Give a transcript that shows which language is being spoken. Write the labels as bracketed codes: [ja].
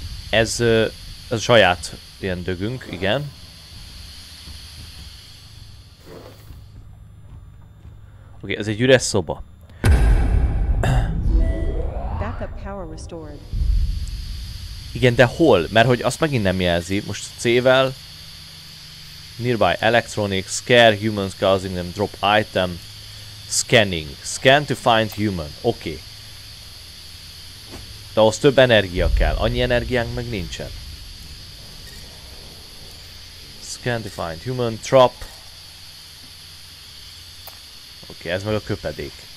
[hu] Ez a saját ilyen dögünk, igen. Oké, ez egy üres szoba. [en] Backup power restored. [hu] Igen, de hol? Mert hogy azt megint nem jelzi. Most C-vel. [en] Nearby electronics, scare humans causing them drop item. Scanning. Scan to find human. Oké. [hu] De ahhoz több energia kell. Annyi energiánk meg nincsen. [en] Scan to find human. Trap. [hu] Oké, ez meg a köpedék.